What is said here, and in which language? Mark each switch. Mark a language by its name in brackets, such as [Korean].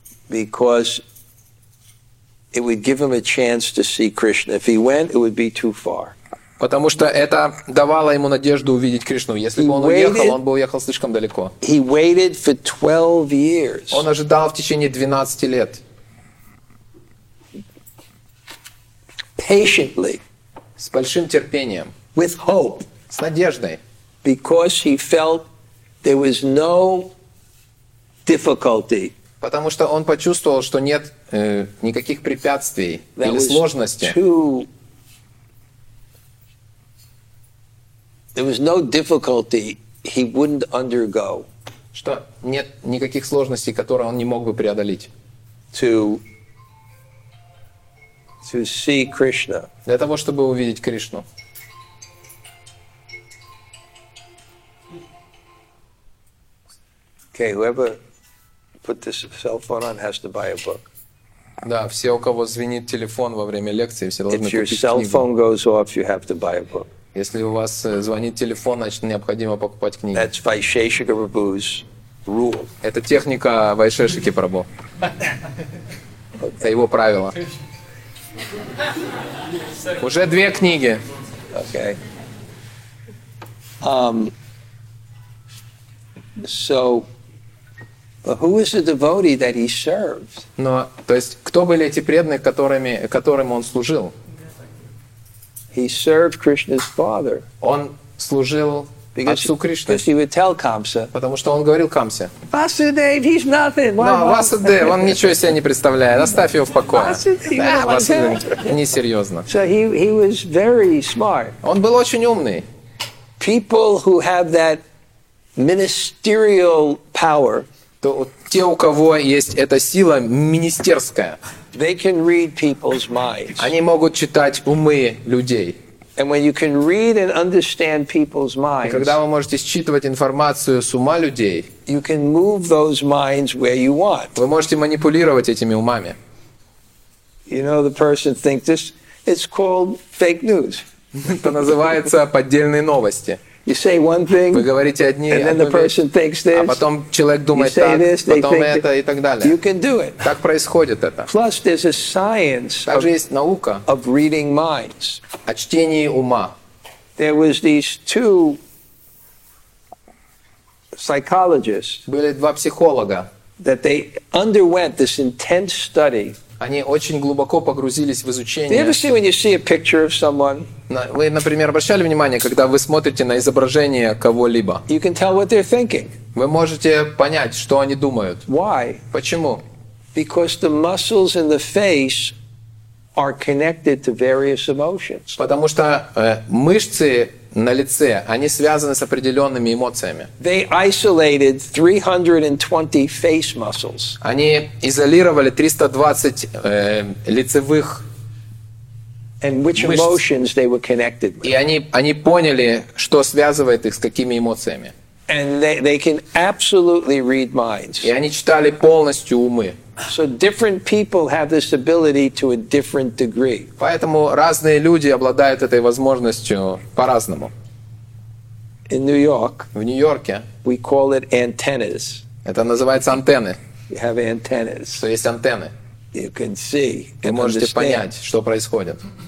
[English] Because it would give him a chance to see Krishna. If he went, it would be too far. [Russian] Потому что это давало ему надежду увидеть Кришну. Если бы он уехал, он бы уехал слишком далеко. [English] He waited for 12 years. [Russian] Он ожидал в течение 12 лет. [English] Patiently. [Russian] С большим терпением. [English] With hope. [Russian] С надеждой. [English] Because he felt there was no difficulty. [Russian] Потому что он почувствовал, что нет никаких препятствий или сложностей. [English] There was no difficulty he wouldn't undergo. [Russian] Что нет никаких сложностей, которые он не мог бы преодолеть. [English] To see Krishna. [Russian] Для того, чтобы увидеть Кришну. [English] Okay, whoever put this cell phone on has to buy a book. [Russian] Да, все, у кого звенит телефон во время лекции, все должны купить книгу. [English] If your cell phone goes off, you have to buy a book. [Russian] Если у вас звонит телефон, значит, необходимо покупать книги. [English] That's Vaisheshika Prabhu's rule. [Russian] Это техника Вайшешики Прабху. Это его правило. Уже две книги. [English] Okay. So, but who is the devotee that he served? [Russian] Но, то есть, кто были эти преданные, которым он служил? [English] He served Krishna's father. [Russian] Он служил отцу Кришны. [English] Because he would tell Kamsa. [Russian] Потому что он говорил Камсе. [English] Vasudev, he's nothing. [Russian] No, Vasudev, он ничего из себя не представляет. Оставь его в покое. Vasudev, не серьезно. [English] So he was very smart. [Russian] Он был очень умный. [English] People who have that ministerial power. [Russian] Те, у кого есть эта сила министерская. [English] They can read people's minds. [Russian] Они могут читать умы людей. [English] And when you can read and understand people's minds, [Russian] и когда вы можете считывать информацию с ума людей, [English] you can move those minds where you want. [Russian] Вы можете манипулировать этими умами. [English] You know, the person thinks this, it's called fake news. [Russian] Это называется поддельные новости. [English] You say one thing, [Russian] вы говорите одни, [English] and then the person thinks this, [Russian] а потом человек думает так, [English] this, [Russian] потом это и так далее. [English] You can do it. [Russian] Так происходит это. [English] Plus, there's a science [Russian] также есть наука [English] of reading minds. [Russian] О чтении ума. [English] There was these two psychologists, [Russian] были два психолога, [English] that they underwent this intense study. [Russian] Они очень глубоко погрузились в изучение. [English] Did you ever see, when you see a picture of someone? [Russian] Вы, например, обращали внимание, когда вы смотрите на изображение кого-либо? [English] You can tell what they're thinking. [Russian] Вы можете понять, что они думают. [English] Why? [Russian] Почему? [English] Because the muscles in the face are connected to various emotions. [Russian] Потому что мышцы на лице, они связаны с определенными эмоциями. [English] They isolated 320 face muscles. [Russian] Они изолировали 320 лицевых [English] and which [Russian] мышц. [English] Emotions they were connected with. [Russian] И они поняли, что связывает их с какими эмоциями. [English] And they can absolutely read minds. [Russian] И они читали полностью умы. [English] So different people have this ability to a different degree. [Russian] Поэтому разные люди обладают этой возможностью по-разному. [English] In New York, [Russian] в Нью-Йорке, [English] we call it antennas. [Russian] Это называется антенны. [English] You have antennas. [Russian] То есть антенны. [English] You can see and [Russian] вы можете [English] understand. [Russian] Понять, что происходит.